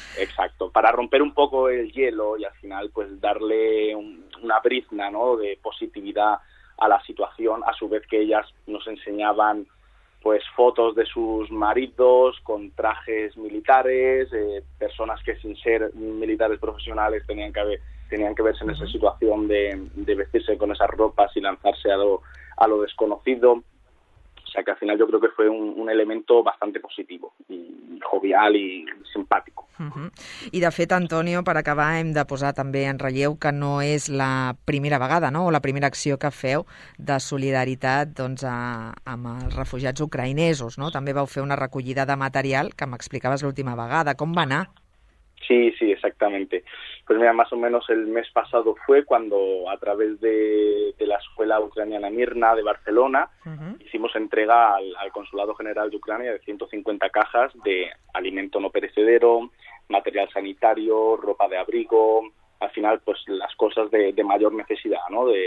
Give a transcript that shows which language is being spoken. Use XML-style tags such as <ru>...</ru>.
<es>Exacto, para romper un poco el hielo y al final pues darle una brizna, ¿no?, de positividad a la situación, a su vez que ellas nos enseñaban pues fotos de sus maridos con trajes militares, personas que sin ser militares profesionales tenían que verse en esa situación de vestirse con esas ropas y lanzarse a lo desconocido. O sea que al final yo creo que fue un elemento bastante positivo y jovial y simpático.</es> <ca>I de fet, Antonio, per acabar, hem de posar també en relleu que no és la primera vegada, no?, o la primera acció que feu de solidaritat, doncs, amb els refugiats ucraïnesos, no? També vau fer una recollida de material, que m'explicaves l'última vegada. Com va anar?</ca> <es>Sí, sí, exactamente. Pues mira, más o menos el mes pasado fue cuando a través de la escuela ucraniana Mirna de Barcelona hicimos entrega al Consulado General de Ucrania de 150 cajas de alimento no perecedero, material sanitario, ropa de abrigo, al final pues las cosas de mayor necesidad, ¿no?</es>